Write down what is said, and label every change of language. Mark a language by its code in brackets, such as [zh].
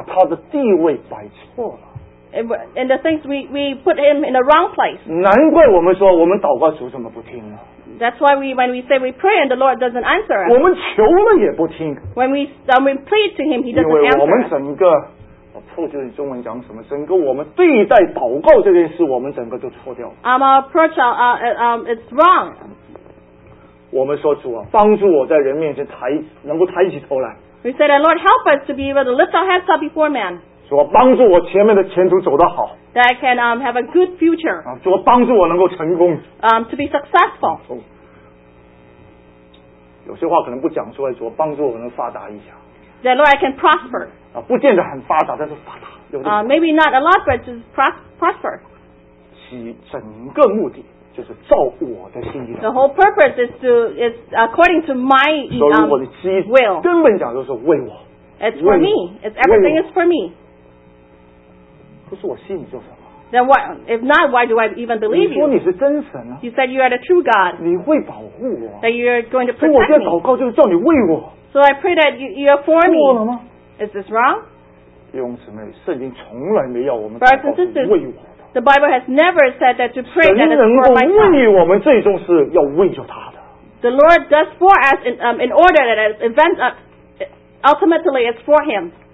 [zh] 说我们什么事情，我们把他的地位摆错了。 [en] And the things we put him in the wrong place. [zh] 难怪我们说我们祷告主怎么不听呢？ [en] That's why when we say we pray and the Lord doesn't answer us. [zh] 我们求了也不听。 [en] When we pray to Him, He doesn't answer. [zh] 因为我们整个，我错就是中文讲什么，整个我们对待祷告这件事，我们整个就错掉了。 [en] Our approach, it's wrong. [zh] 我们说主啊，帮助我在人面前能够抬起头来。 [en] We say that Lord help us to be able to lift our heads up before man. [zh] 主啊，帮助我前面的前途走得好。 [en] That I can have a good future. [zh] 主啊，帮助我能够成功。 [en] To be successful. [zh] 有些话可能不讲出来，主啊，帮助我能发达一下。 [en] That Lord I can prosper. [zh] 不见得很发达，但是发达。 [en] Maybe not a lot, but just prosper. [zh] 其整个目的就是照我的心意。 [en] The whole purpose is according to my will. [zh] 根本讲就是为我。 [en] It's for me. It's everything is for me. [zh] 不是我信你做什么 [en] Then what, if not, why do I even believe you? [zh] 你说你是真神啊 [en] You said you are the true God. [zh] 你会保护我 [en] That you are going to protect me. [zh] 所以我现在祷告就是叫你为我 [en] So I pray that you are for me. [zh] 错了吗 [en] Is this wrong? [zh] 弟兄姊妹，圣经从来没要我们祷告是为我的 [en] The Bible has never said that to pray that is for my [zh] son. 神能够为我们最终是要为着他的 [en] The Lord does for us in order that it events ultimately it's for him.